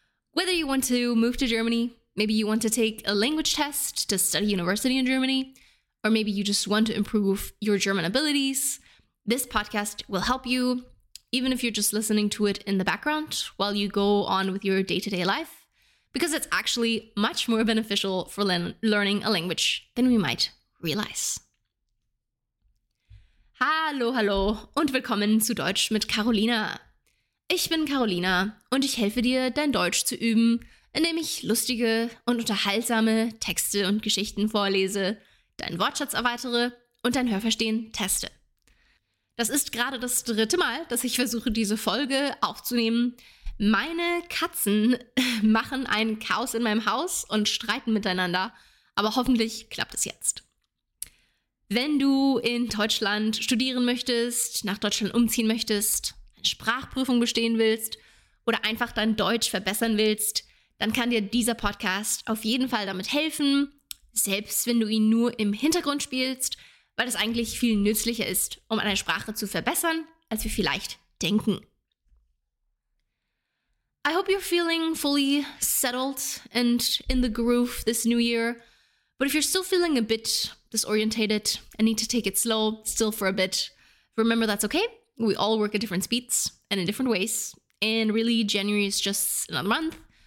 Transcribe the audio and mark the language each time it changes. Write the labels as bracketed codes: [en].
[en] Whether you want to move to Germany, maybe you want to take a language test to study university in Germany, or maybe you just want to improve your German abilities, this podcast will help you, even if you're just listening to it in the background while you go on with your day-to-day life, because it's actually much more beneficial for learning a language than we might realize. [de] Hallo, hallo und willkommen zu Deutsch mit Carolina. Ich bin Carolina und ich helfe dir, dein Deutsch zu üben, indem ich lustige und unterhaltsame Texte und Geschichten vorlese, deinen Wortschatz erweitere und dein Hörverstehen teste. Das ist gerade das dritte Mal, dass ich versuche, diese Folge aufzunehmen. Meine Katzen machen ein Chaos in meinem Haus und streiten miteinander, aber hoffentlich klappt es jetzt. Wenn du in Deutschland studieren möchtest, nach Deutschland umziehen möchtest, eine Sprachprüfung bestehen willst oder einfach dein Deutsch verbessern willst, dann kann dir dieser Podcast auf jeden Fall damit helfen, selbst wenn du ihn nur im Hintergrund spielst, weil es eigentlich viel nützlicher ist, um eine Sprache zu verbessern, als wir vielleicht denken. [en] I hope you're feeling fully settled and in the groove this new year. But if you're still feeling a bit disorientated and need to take it slow, still for a bit, remember that's okay. We all work at different speeds and in different ways. And really, January is just another month.